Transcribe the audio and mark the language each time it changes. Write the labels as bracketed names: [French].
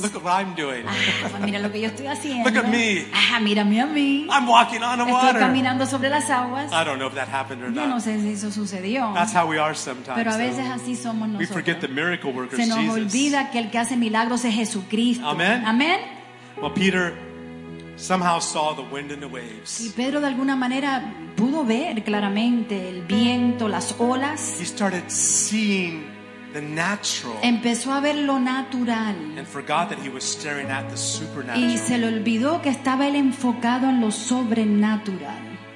[English] look what I'm doing. [Spanish] Ah, mira lo que yo estoy haciendo. [English] Look at me. [Spanish] Ah, mírame a mí. [English] I'm walking on the [Spanish] estoy [English] water. [Spanish] Caminando sobre las aguas. [English] I don't know if that happened or [Spanish] yo [English] not. [Spanish] No sé si eso sucedió. [English] That's how we are sometimes, [Spanish] pero a veces [English] though. [Spanish] Así somos nosotros. [English] We forget the miracle workers, [Spanish] se nos [English] Jesus. [Spanish] Olvida que el que hace milagros es Jesucristo. Amen. Amen. [English] Well, Peter somehow saw the wind and the waves. [Spanish] Y Pedro de alguna manera pudo ver claramente el viento, las olas. [English] He started seeing the natural. [Spanish] Empezó a ver lo natural. [English] And forgot that he was staring at the supernatural. [Spanish] Y se le olvidó que estaba él enfocado en lo sobrenatural.